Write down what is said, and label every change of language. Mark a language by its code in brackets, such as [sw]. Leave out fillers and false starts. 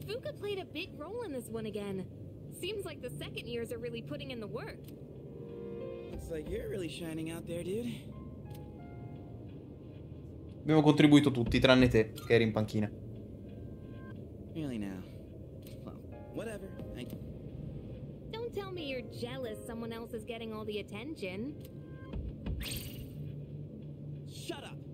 [en] Fuka played a big role in this one again. Seems like the second years are really putting in the work. Looks like you're really shining out there, dude. [it] Abbiamo contribuito tutti, tranne te, che eri in panchina. [en] Really now. Well, whatever. Don't tell me you're jealous someone else is getting all the attention. Shut up.